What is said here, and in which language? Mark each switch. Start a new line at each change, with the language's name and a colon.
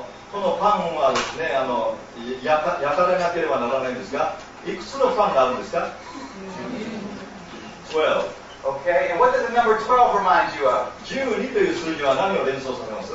Japanese: このパンはですね、焼かれなければならないんですが、いくつのパンがあるんですか？
English: 12. Okay, and what does the number 12 remind you of?
Japanese: 12という数字は何を連想させます？